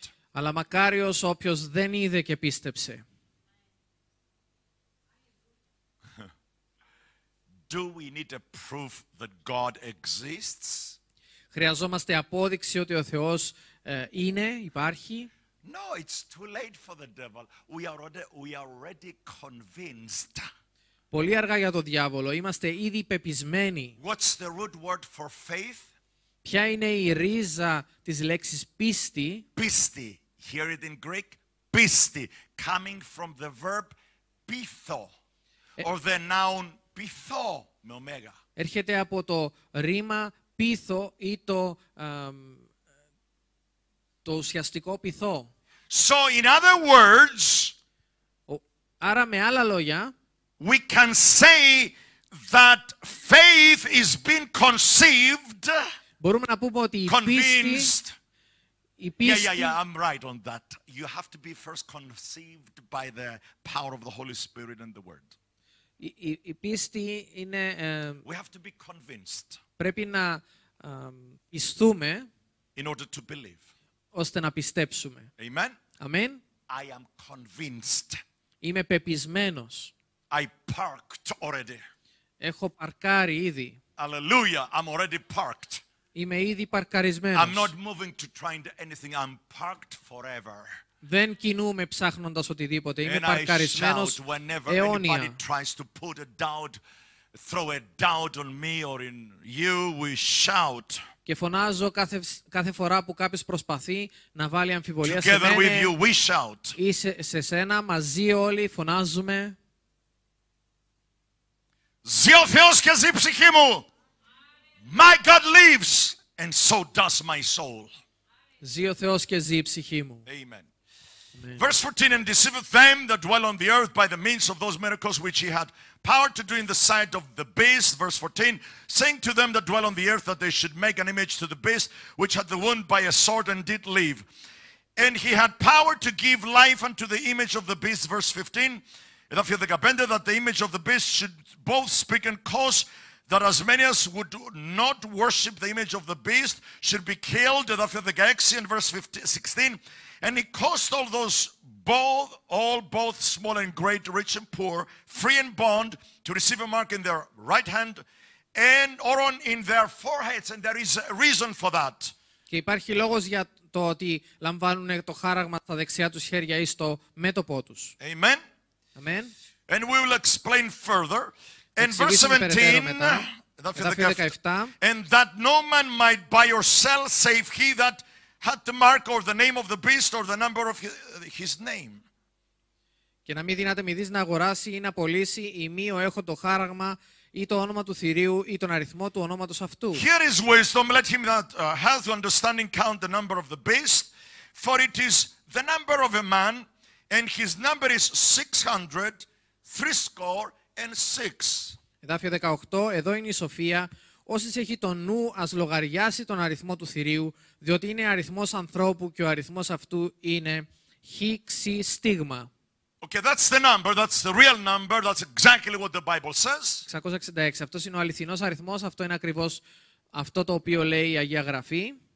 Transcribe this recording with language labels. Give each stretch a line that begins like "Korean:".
Greek: Αλλά μακάριος όποιος δεν είδε και πίστεψε.
English: Do we need a proof that God exists?
Greek: Χρειαζόμαστε απόδειξη ότι ο Θεός είναι, υπάρχει?
English: No, it's too late for the devil. We are already convinced.
Greek: Πολύ αργά για τον διάβολο. Είμαστε ήδη πεπισμένοι.
English: What's the root word for faith?
Greek: Ποια είναι η ρίζα της λέξης πίστη?
English: Πίστη. Hear it in Greek. Πίστη. Coming from the verb πίθο. Or the noun πίθο
Greek: με ωμέγα. Έρχεται από το ρήμα πίθο ή το το ουσιαστικό πίθο.
English: So in other words,
Greek: άρα με άλλα λόγια,
English: we can say that faith is being conceived.
Greek: Μπορούμε να πούμε ότι η πίστη.
English: Yeah, I'm right on that. You have to be first conceived by the power of the Holy Spirit and the Word.
Greek: Η πίστη είναι,
English: we have to be convinced,
Greek: πρέπει να πιστούμε,
English: in order to believe,
Greek: ώστε να πιστέψουμε.
English: Amen. Amen. I am convinced.
Greek: Είμαι πεπισμένος.
English: I parked already.
Greek: Έχω παρκάρει ήδη.
English: Hallelujah, I'm already parked.
Greek: Είμαι ήδη παρκαρισμένος.
English: I'm not moving to try anything. I'm parked forever.
Greek: Δεν κινούμαι ψάχνοντας οτιδήποτε. Είμαι παρκαρισμένος αιώνια.
English: Anybody tries to put a doubt, throw a doubt on me or in you, we shout.
Greek: Και φωνάζω κάθε φορά που κάποιος προσπαθεί να βάλει αμφιβολία σε μένα.
English: You, we shout.
Greek: Ή σε σένα, μαζί όλοι φωνάζουμε. Ζει ο Θεός και ζει η ψυχή μου.
English: My God lives and so does my soul.
Greek: Ζει ο Θεός και ζει η ψυχή μου.
English: Amen. Verse 14, and deceiveth them that dwell on the earth by the means of those miracles which he had power to do in the sight of the beast. Verse 14, saying to them that dwell on the earth that they should make an image to the beast which had the wound by a sword and did live. And he had power to give life unto the image of the beast. Verse 15,
Greek: εδάφιο 15,
English: that the image of the beast should both speak and cause that as many as would not worship the image of the beast should be killed.
Greek: Εδάφιο 16,
English: and verse 16, and he caused all those, both small and great, rich and poor, free and bond, to receive a mark in their right hand and or on in their foreheads. And there is a reason for that.
Greek: Και υπάρχει λόγος για το ότι λαμβάνουν το χάραγμα στα δεξιά τους χέρια ή στο μέτωπό τους.
English: Amen. Amen. And we will explain further. And verse 17.
Greek: Εδάφιο 17.
English: And that no man might buy or sell, save he that had the mark or the name of the beast or the number of his name.
Greek: Και να μην δυνάται μηδής να αγοράσει ή να πωλήσει ή μη ο έχω το χάραγμα ή το όνομα του θηρίου ή τον αριθμό του ονόματος αυτού.
English: Here is wisdom, let him that hath understanding count the number of the beast, for it is the number of a man, and his number is 666.
Greek: Εδάφιο 18, εδώ είναι η σοφία. Όσης έχει το νου, ας λογαριάσει τον αριθμό του θηρίου, διότι είναι αριθμός ανθρώπου και ο αριθμός αυτού είναι χίξη στίγμα.
English: Okay, that's the number, that's the real number, that's exactly what the Bible says.
Greek: 666, αυτός είναι ο αληθινός αριθμός, αυτό είναι ακριβώς αυτό το οποίο λέει η Αγία Γραφή.